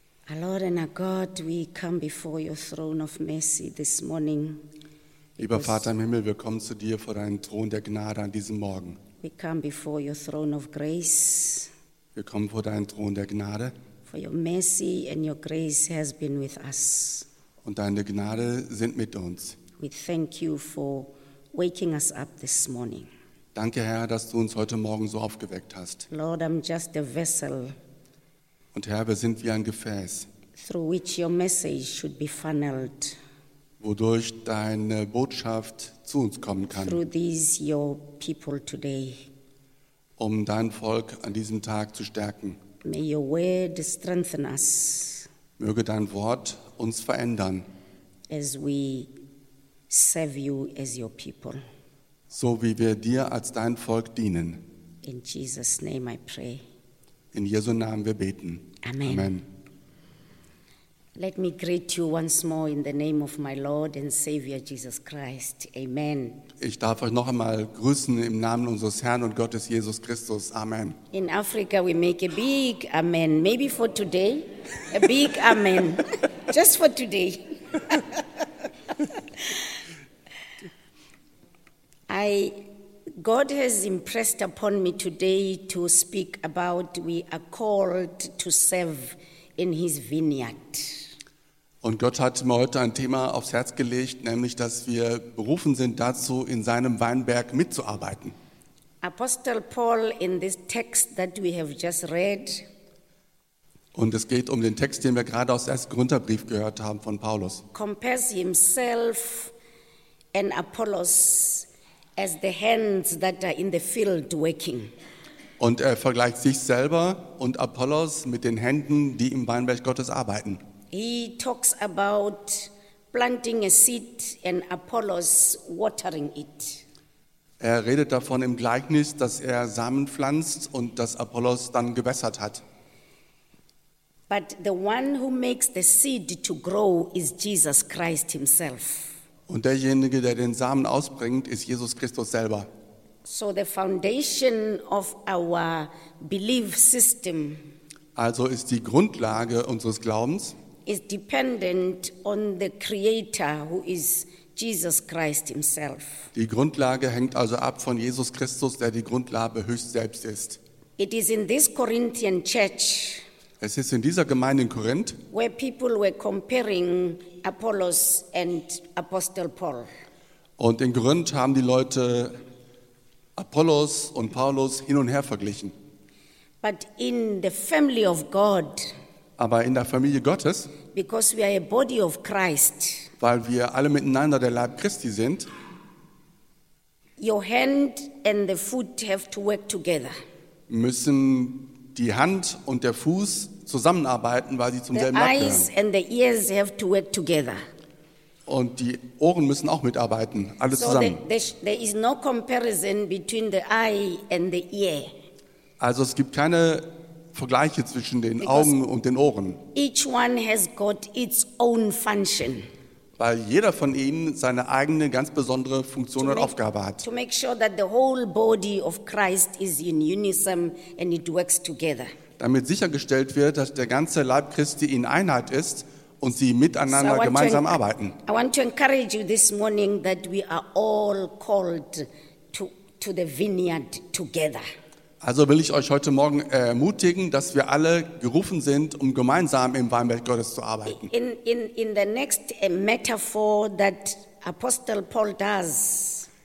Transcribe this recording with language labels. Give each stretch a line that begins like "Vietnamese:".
English: Our Lord and our God, we come before your throne of mercy this morning.
German: Lieber Vater im Himmel, wir kommen zu dir vor deinen Thron der Gnade an diesem Morgen.
English: We come before your throne of grace.
German: Wir kommen vor deinen Thron der Gnade.
English: For your mercy and your grace has been with us.
German: Und deine Gnade sind mit uns.
English: We thank you for waking us up this morning.
German: Danke, Herr, dass du uns heute Morgen so aufgeweckt hast.
English: Lord, I'm just a vessel.
German: Und Herr, wir sind wie ein Gefäß,
English: through which your message should be funneled,
German: wodurch deine Botschaft zu uns kommen kann,
English: through these your people today,
German: um dein Volk an diesem Tag zu stärken.
English: May your word strengthen us.
German: Möge dein Wort uns verändern,
English: as we serve you as your people,
German: so wie wir dir als dein Volk dienen.
English: In Jesus' name I pray.
German: In Jesu Namen wir beten.
English: Amen. Amen. Let me greet you once more in the name of my Lord and Savior Jesus Christ. Amen.
German: Ich darf euch noch einmal grüßen im Namen unseres Herrn und Gottes Jesus Christus. Amen.
English: In Africa we make a big amen. Maybe for today. A big amen. Just for today. God has impressed upon me today to speak about we are called to serve in his vineyard.
German: Und Gott hat mir heute ein Thema aufs Herz gelegt, nämlich dass wir berufen sind dazu, in seinem Weinberg mitzuarbeiten.
English: Apostle Paul in this text that we have just read.
German: Und es geht um den Text, den wir gerade aus 1. Korintherbrief gehört haben von Paulus.
English: Compares himself and Apollos as the hands that are in the field working.
German: Und er vergleicht sich selber und Apollos mit den Händen, die im Weinberg Gottes arbeiten.
English: He talks about planting a seed and Apollos watering it.
German: Er redet davon im Gleichnis, dass er Samen pflanzt und dass Apollos dann gewässert hat.
English: But the one who makes the seed to grow is Jesus Christ himself.
German: Und derjenige, der den Samen ausbringt, ist Jesus Christus selber.
English: So the foundation of our belief system,
German: also ist die Grundlage unseres Glaubens,
English: is dependent on the creator who is Jesus Christ himself.
German: Die Grundlage hängt also ab von Jesus Christus, der die Grundlage höchst selbst ist.
English: It is in this Corinthian church,
German: es ist in dieser Gemeinde in Korinth,
English: where people were comparing Apollos and Apostle Paul.
German: Und in Korinth haben die Leute Apollos und Paulus hin und her verglichen.
English: But in the family of God,
German: aber in der Familie Gottes,
English: because we are a body of Christ,
German: weil wir alle miteinander der Leib Christi sind,
English: your hand and the foot have to work together.
German: Müssen die Hand und der Fuß zusammenarbeiten, weil sie zum selben Leib gehören.
English: The eyes and the ears have to work together.
German: Und die Ohren müssen auch mitarbeiten, alle zusammen.
English: There is no comparison between the eye and the ear.
German: Also es gibt keine Vergleiche zwischen den Augen und den Ohren.
English: Each one has got its own function.
German: Weil jeder von ihnen seine eigene ganz besondere Funktion und Aufgabe hat.
English: To make sure that the whole body of Christ is in unison and it works together.
German: Damit sichergestellt wird, dass der ganze Leib Christi in Einheit ist und sie miteinander gemeinsam arbeiten.
English: I want to encourage you this morning that we are all called to the vineyard together.
German: Also will ich euch heute Morgen ermutigen, dass wir alle gerufen sind, um gemeinsam im Weinberg Gottes zu arbeiten.
English: In the next metaphor that Apostle Paul does.